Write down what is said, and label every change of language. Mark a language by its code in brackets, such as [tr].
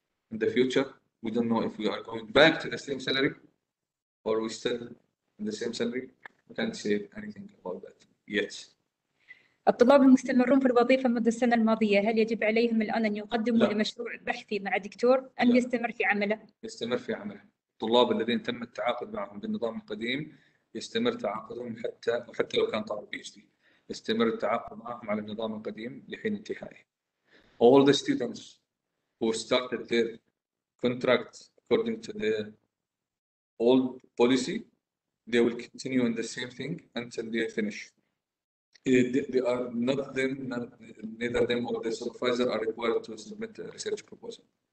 [en] In the future, we don't know if we are going back to the same salary or we still in the same salary. We can't say anything about that yet. [ar] الطلاب المستمرون في الوظيفة مدة السنة الماضية هل يجب عليهم الآن أن يقدموا لمشروع بحثي مع دكتور أم يستمر في عمله؟ يستمر في عمله. الطلاب الذين تم التعاقد معهم بالنظام القديم يستمر تعاقدهم حتى لو كان طالب PhD. يستمر التعاقد معهم على النظام القديم لحين انتهائه. [en] All the students who started their contract according to the old policy, they will continue in the same thing until they finish. They are not them, neither them or the supervisor are required to submit a research proposal.